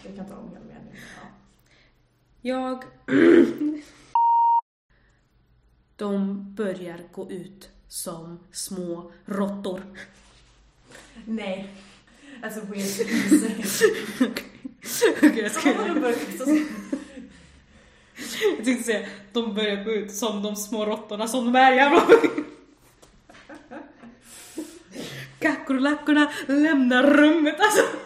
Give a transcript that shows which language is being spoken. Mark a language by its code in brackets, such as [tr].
[sv] Jag kan ta om hela meningen. Jag. De börjar gå ut som små råttor. [en] Nej, that's a weird thing to say. [sv] Okej, okay, jag ska jag tänkte säga, de börjar gå ut som de små råttorna som de är, jävla. Kakorlackorna lämnar rummet, alltså.